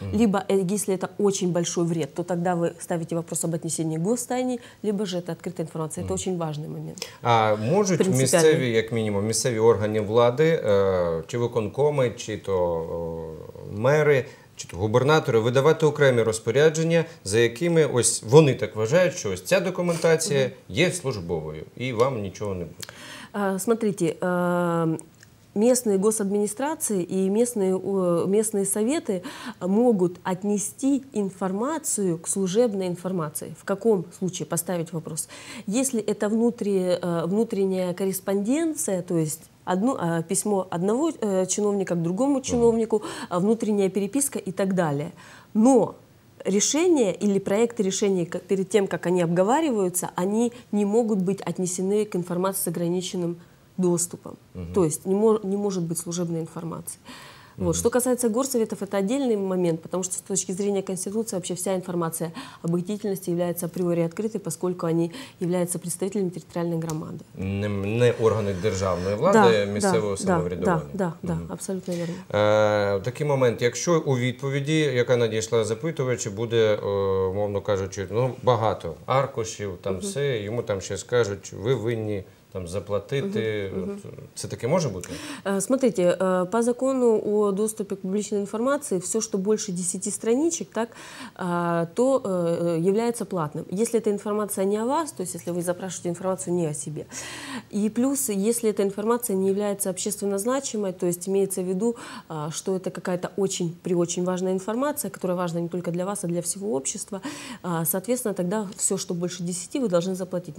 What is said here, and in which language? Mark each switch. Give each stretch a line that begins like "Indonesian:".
Russian: Либо, если это очень большой вред, то тогда вы ставите вопрос об отнесении к гостайне, либо же это открытая информация. Это очень важный момент. А могут местные, как минимум, местные органы власти,
Ukrainian: чи виконкоми, чи то мэры, чи то губернатори видавати окремі розпорядження, за якими ось вони так вважають, що ось ця документація є службовою, і вам нічого не буде?
Russian: Смотрите, местные госадминистрации и местные советы могут отнести информацию к служебной информации. В каком случае? Поставить вопрос. Если это внутренняя корреспонденция, то есть письмо одного чиновника к другому чиновнику, внутренняя переписка и так далее. Но решения или проекты решений перед тем, как они обговариваются, они не могут быть отнесены к информации с ограниченным доступом. То есть не может быть служебной информации. Вот. Что касается горсоветов, это отдельный момент, потому что с точки зрения Конституции вообще вся информация об их деятельности является априори открытой, поскольку они являются представителями территориальной громады.
Ukrainian: Не органы державної влади, а місцевого самоврядування.
Russian: Да, абсолютно верно.
Ukrainian: Такий момент, якщо у відповіді, яка надійшла запитувачі, буде, умовно кажучи, ну, багато аркушів, там все, йому там ще скажуть, ви винні там заплатити. Це таке може бути? Смотрите, по закону о доступі к публічній інформації, все, що більше 10 страничок, так, то являється платним. Якщо ця інформація не о вас,
Russian: то есть, если вы запрашиваете информацию не о себе. И плюс, если эта информация не является общественно значимой, то есть имеется в виду, что это какая-то очень важная информация, которая важна не только для вас, а для всего общества, соответственно, тогда все, что больше 10, вы должны заплатить.